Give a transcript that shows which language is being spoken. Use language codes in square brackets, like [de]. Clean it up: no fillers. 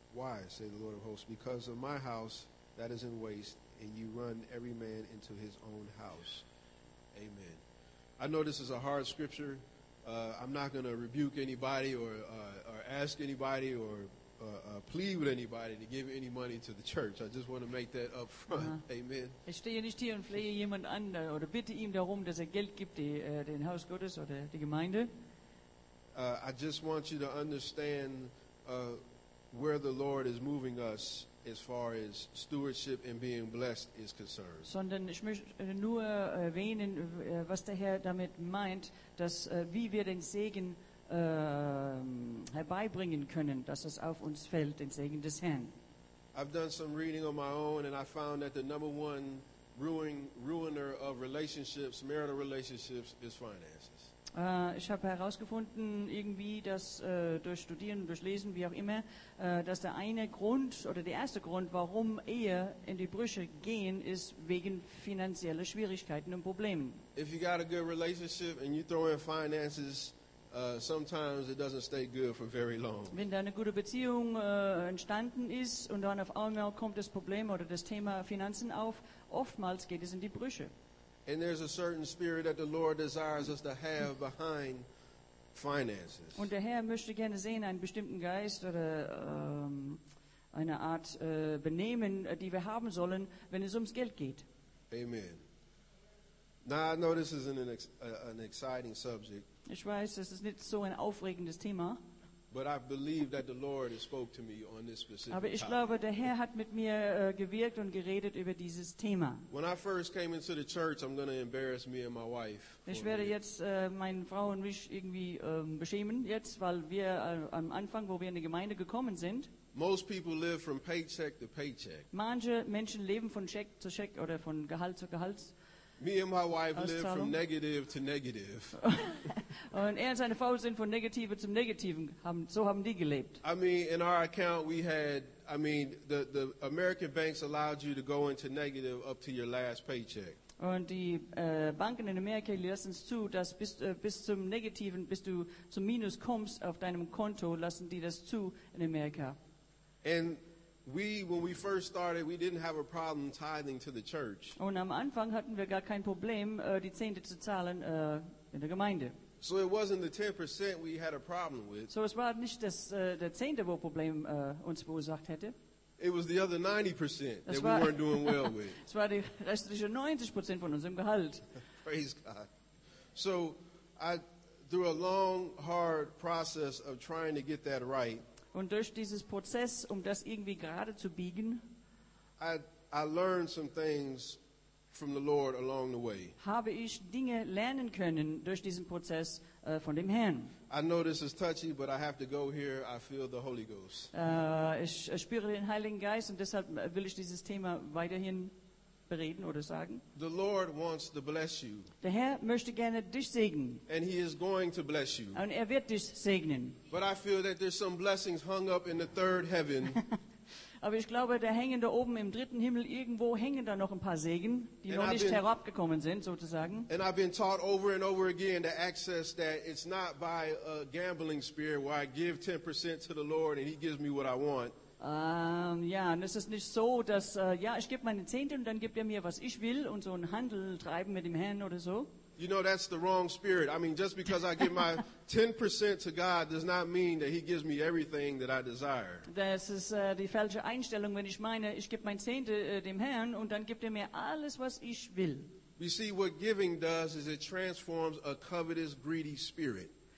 [en] Why, said the Lord of hosts, because of my house that is in waste, and you run every man into his own house. Amen. I know this is a hard scripture. I'm not going to rebuke anybody or ask anybody or plead with anybody to give any money to the church. I just want to make that up front. Amen. [de] Ich stehe nicht hier und flehe jemand an oder bitte ihm darum, dass Geld gibt den Haus Gottes oder die Gemeinde. [en] I just want you to understand where the Lord is moving us as far as stewardship and being blessed is concerned. [de] Sondern ich möchte nur erwähnen, was der Herr damit meint, dass wie wir den Segen herbeibringen können, dass es auf uns fällt, den Segen des Herrn. [en] I've done some reading on my own and I found that the number one ruiner of relationships, marital relationships, is finances. [de] Ich habe herausgefunden, irgendwie, dass durch Studieren, durch Lesen, wie auch immer, dass der eine Grund oder der erste Grund, warum Ehe in die Brüche gehen, ist wegen finanzieller Schwierigkeiten und Problemen. [en] If you got a good relationship and you throw in finances, sometimes it doesn't stay good for very long. [de] Wenn da eine gute Beziehung entstanden ist und dann auf einmal kommt das Problem oder das Thema Finanzen auf, oftmals geht es in die Brüche. [en] And there's a certain spirit that the Lord desires us to have behind finances. [de] Und der Herr möchte gerne sehen einen bestimmten Geist oder eine Art Benehmen, die wir haben sollen, wenn es ums Geld geht. [en] Amen. Now I know this is an exciting subject. [de] Ich weiß, das ist nicht so ein aufregendes Thema. [en] But I believe that the Lord has spoke to me on this specific topic. [de] Aber ich glaube, der Herr hat mit mir gewirkt und geredet über dieses Thema. [en] When I first came into the church, I'm going to embarrass me and my wife. [de] Ich werde jetzt meine Frau und mich irgendwie beschämen jetzt, weil wir am Anfang, wo wir in die Gemeinde gekommen sind. [en] Most people live from paycheck to paycheck. [de] Manche Menschen leben von Scheck zu Scheck oder von Gehalt zu Gehalt. [en] Me and my wife live from negative to negative. [de] Und er und seine Frau sind von Negative zum Negativen. So haben die gelebt. [en] I mean, in our account, we had, I mean, the American banks allowed you to go into negative up to your last paycheck. [de] Und die Banken in Amerika lassen es zu, dass bis zum Negativen, bis du zum Minus kommst auf deinem Konto, lassen die das zu in Amerika. [en] And we, when we first started, we didn't have a problem tithing to the church. [de] Und am Anfang hatten wir gar kein Problem, die Zehnte zu zahlen in der Gemeinde. [en] So it wasn't the 10% we had a problem with. [de] So es war nicht das der Zehnte, wo Problem uns verursacht hätte. [en] It was the other 90% that we weren't doing well with. [de] Es war die restliche 90% von unserem Gehalt. [en] Praise God. So I, through a long, hard process of trying to get that right. [de] Und durch dieses Prozess, um das irgendwie gerade zu biegen, [en] I learned some things from the Lord along the way. [de] Habe ich Dinge lernen können durch diesen Prozess von dem Herrn. [en] I know this is touchy, but I have to go here. I feel the Holy Ghost. [de] Ich spüre den Heiligen Geist und deshalb will ich dieses Thema weiterhin reden oder sagen. [en] The Lord wants to bless you. [de] Der Herr möchte gerne dich segnen. [en] And he is going to bless you. [de] Und er wird dich segnen. [en] But I feel that there's some blessings hung up in the third heaven. [de] Aber ich glaube, da hängen da oben im dritten Himmel irgendwo hängen da noch ein paar Segen, die [en] and [de] noch nicht herabgekommen sind, sozusagen. [en] And I've been taught over and over again to access that it's not by a gambling spirit where I give 10% to the Lord and he gives me what I want. [de] Ja, und es ist nicht so, dass ich gebe meine Zehnte und dann gibt er mir, was ich will und so einen Handel treiben mit dem Herrn oder so. [en] You know, that's the wrong spirit. I mean, just because I give my 10% to God does not mean that he gives me everything that I desire. [de] Das ist die falsche Einstellung, wenn ich meine, ich gebe mein Zehnte dem Herrn und dann gibt er mir alles, was ich will. [en] You see, what giving does is it transforms a covetous, greedy spirit.